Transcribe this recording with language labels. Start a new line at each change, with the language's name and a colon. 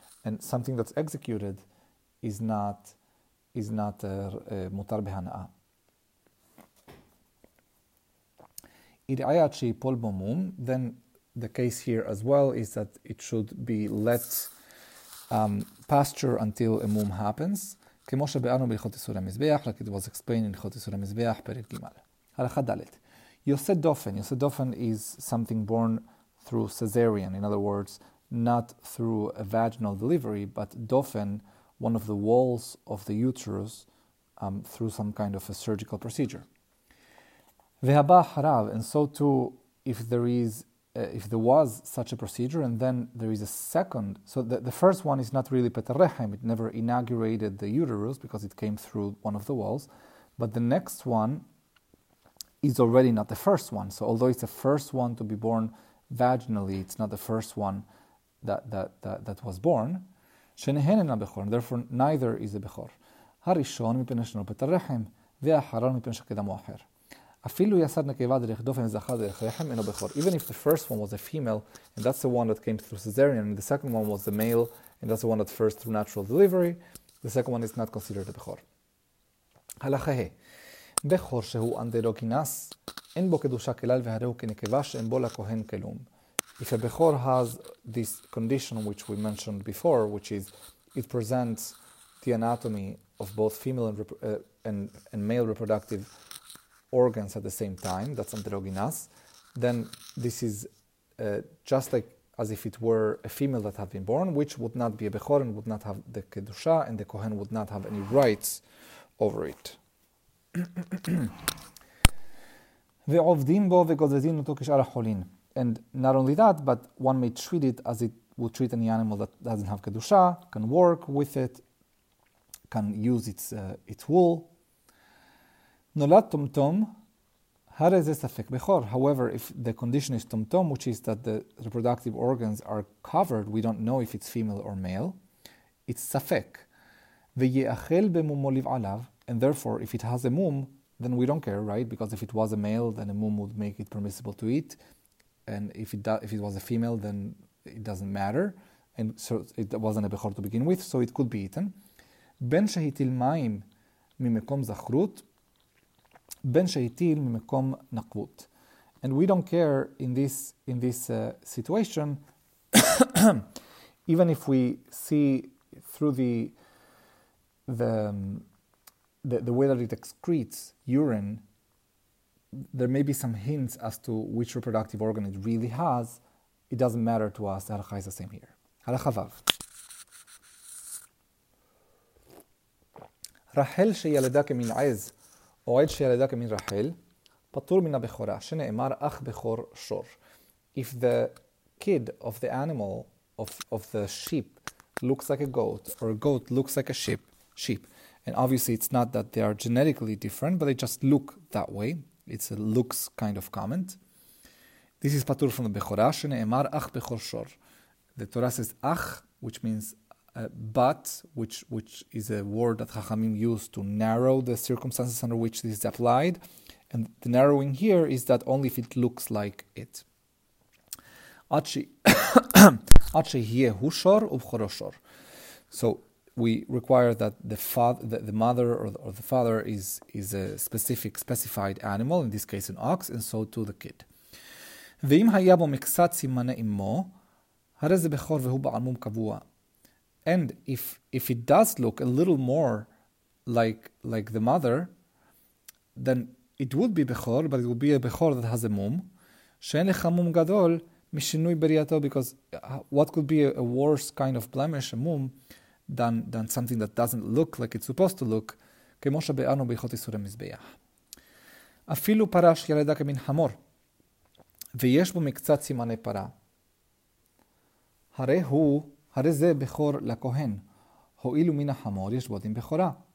English: And something that's executed is not mutar behana'a.
Hebrew: Ir'ayat she'ipol bo mum,
English: then the case here as well is that it should be let pasture until a mum happens.
Hebrew: כמו שבאנו בלכות איסורי המזבח,
English: like it was explained in
Hebrew: לכות איסורי המזבח, פרק גימל. הלכה דלת.
English: יוסד דופן is something born through cesarean, in other words, not through a vaginal delivery, but דופן, one of the walls of the uterus, through some kind of a surgical procedure.
Hebrew: והבא אחריו,
English: and so too, if there was such a procedure, and then there is a second. So the first one is not really peterechem, it never inaugurated the uterus because it came through one of the walls. But the next one is already not the first one. So although it's the first one to be born vaginally, it's not the first one that was born.
Hebrew: Shenehen en ha-bechor,
English: therefore neither is a bechor.
Hebrew: הראשון מפני שנרפת הרחם, והאחרון מפני שקדם הוא אחר. אפילו יסד נקבה דרך דופן זכה דרך רחם, אינו בכור.
English: Even if the first one was a female, and that's the one that came through cesarean, and the second one was the male, and that's the one that first through natural delivery, the second one is not considered a בכור.
Hebrew: הלכה ה. בכור שהוא אנדרוגינס, אין בו קדושה כלל והרי הוא כנקבה שאין בו לכהן כלום.
English: If a בכור has this condition which we mentioned before, which is it presents the anatomy of both female and male reproductive organs at the same time, that's androgynous, then this is just like as if it were a female that had been born, which would not be a Bechor and would not have the Kedusha, and the Kohen would not have any rights over it. And not only that, but one may treat it as it would treat any animal that doesn't have Kedusha, can work with it, can use its wool.
Hebrew: נולד טומטום, הרי זה ספק בכור.
English: However, if the condition is טומטום, which is that the reproductive organs are covered, we don't know if it's female or male, it's ספק.
Hebrew: ויאכל במומו לבעליו,
English: and therefore, if it has a mum, then we don't care, right? Because if it was a male, then a mum would make it permissible to eat. And if it was a female, then it doesn't matter. And so it wasn't a בכור to begin with, so it could be eaten.
Hebrew: בין שהטיל מים ממקום זכרות, בין שהטיל ממקום נקבות.
English: And we don't care in this situation, even if we see through the way that it excretes urine, there may be some hints as to which reproductive organ it really has. It doesn't matter to us. The halakha is the same here.
Hebrew: הלכה וב. רחל שילדה כמין עז, עד שילדה כמין רחל, פטור מן הבכורה, שנאמר אך בכור שור.
English: If the kid of the animal, of the sheep, looks like a goat, or a goat looks like a sheep, and obviously it's not that they are genetically different, but they just look that way, it's a looks kind of comment.
Hebrew: This is פטור from the בכורה, שנאמר אך בכור שור.
English: The Torah says אך, which means but, which is a word that Chachamim used to narrow the circumstances under which this is applied. And the narrowing here is that only if it looks like it.
Hebrew: עד שיהיה הוא שור ובכורו שור.
English: So we require that the mother or the father is a specified animal, in this case an ox, and so too the kid.
Hebrew: ואם היה בו מקצת סימני אמו, הרי זה בכור והוא בעל מום קבוע.
English: And if it does look a little more like the mother, then it would be bechor, but it would be a bechor that has a mum.
Hebrew: She'en lecha mum gadol mishinui beriato,
English: because what could be a worse kind of blemish, a mum, than something that doesn't look like it's supposed to look,
Hebrew: כמו שבאנו ביחות איסורי מזבח. אפילו פרש ילדה כמין חמור, ויש בו מקצת סימני פרה. הרי הוא... הרי זה בכור לכהן, הועילו מן החמור יש בו דין בכורה.